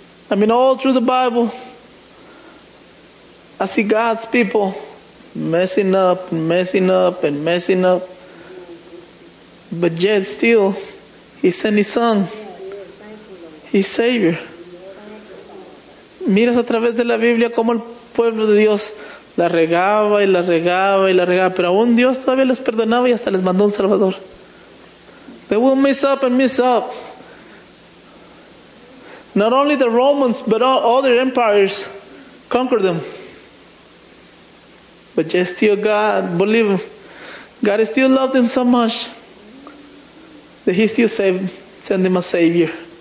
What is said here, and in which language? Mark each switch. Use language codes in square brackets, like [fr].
[en] I mean, all through the Bible, I see God's people messing up and messing up and messing up. But yet still, He sent His Son, His Savior. [es] Miras a través de la Biblia como el pueblo de Dios la regaba y la regaba y la regaba, pero aún Dios todavía les perdonaba y hasta les mandó un Salvador. [en] They will mess up and mess up. Not only the Romans, but all other empires conquered them. But yet still God, believe God still loved them so much that He still sent them a Savior.